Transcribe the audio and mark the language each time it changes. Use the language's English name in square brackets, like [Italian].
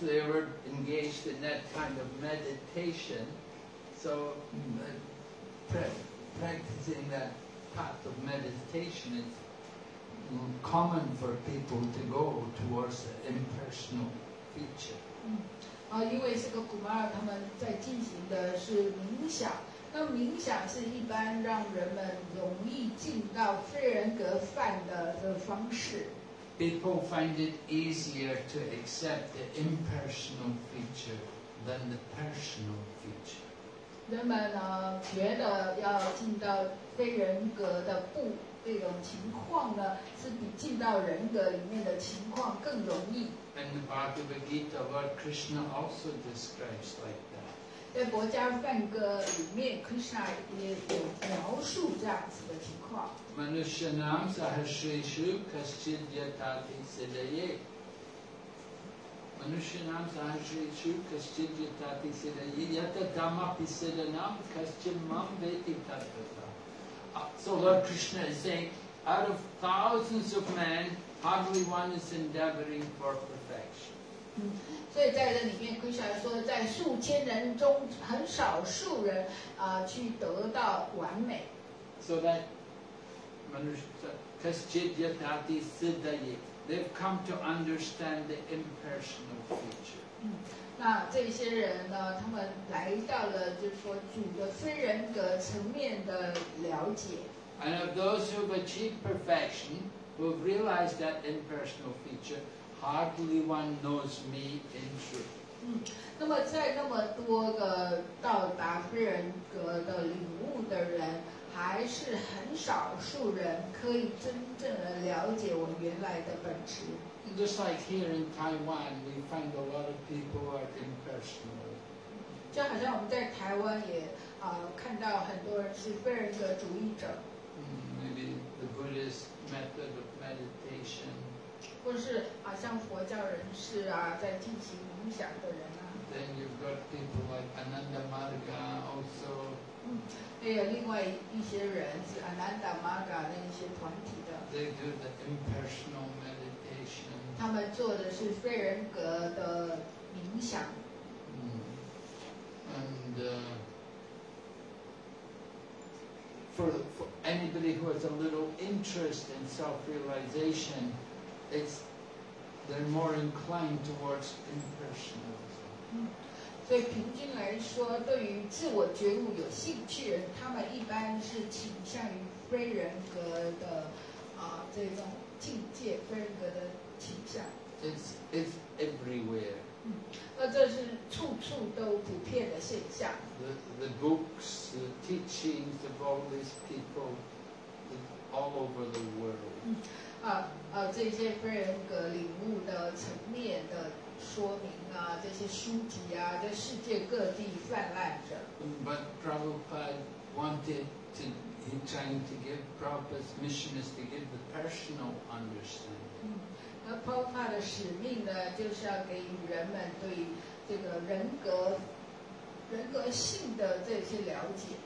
[English] they were engaged in that kind of meditation, so practicing that path of meditation is common for people to go towards the impersonal feature. [Chinese] 因为这个古玛尔他们在进行的是冥想。那冥想是一般让人们容易进到非人格范的方式。People [English] find it easier to accept the impersonal feature than the personal feature. [Chinese] 人们呢，觉得要进到非人格的这种情况呢，是比进到人格里面的情况更容易。 [English] And the Bhagavad Gita, Lord Krishna also describes like that. [Chinese] 在国家梵歌里面 ，Krishna 也有描述这样子的情况。 [Sanskrit] Manusya nam sahasrishu kaschidya tati siddhaye。 Manusya nam sahasrishu kaschidya tati siddhaye。 Yata dhamma pisada nam kaschimam veti tattva。 [English] So Lord Krishna is saying, out of thousands of men, hardly one is endeavoring for perfection。 [Chinese] 所以在这里面 ，Krishna 说，在数千人中，很少数人啊去得到完美。 [English] So that [Sanskrit] manusha kaschidya tati siddhaye, [English] they've come to understand the impersonal feature。 [Chinese] 那这些人呢，他们来到了就是说主的非人格层面的了解。 [English] And of those who've achieved perfection, who've realized that impersonal feature. Hardly one knows me in truth。 [Chinese] 那么在那么多个到达非人格的领悟的人，还是很少数人可以真正的了解我原来的本质。 [English] Just like here in Taiwan, we find a lot of people who are impersonal。 [Chinese] 就好像我们在台湾也啊看到很多人是非人格主义者。 [English] Maybe the Buddhist method of meditation。 [Chinese] 或是啊，像佛教人士啊，在进行冥想的人啊。 [English] Then you've got people like Ananda Marga also。 [Chinese] 还有另外一些人是 Ananda Marga 那一些团体的。 [English] They do the impersonal meditation。 [Chinese] 他们做的是非人格的冥想。 [English] And for anybody who has a little interest in self-realization。 It's they're more inclined towards impersonalism. [Chinese] 所以平均来说，对于自我觉悟有兴趣的人，他们一般是倾向于非人格的啊这种境界，非人格的倾向。 [English] It's everywhere. [Chinese] 那这是处处都普遍的现象。 [English] The books, the teachings of all these people, all over the world. [Chinese] 这些非人格领悟的层面的说明啊，这些书籍啊，在世界各地泛滥着。 [English] But Prabhupada wanted to, he trying to give Prabhupada's mission is to give the personal understanding. [Chinese] 那 Prabhupada 的使命呢，就是要给人们对这个人格。人格性的这些了解。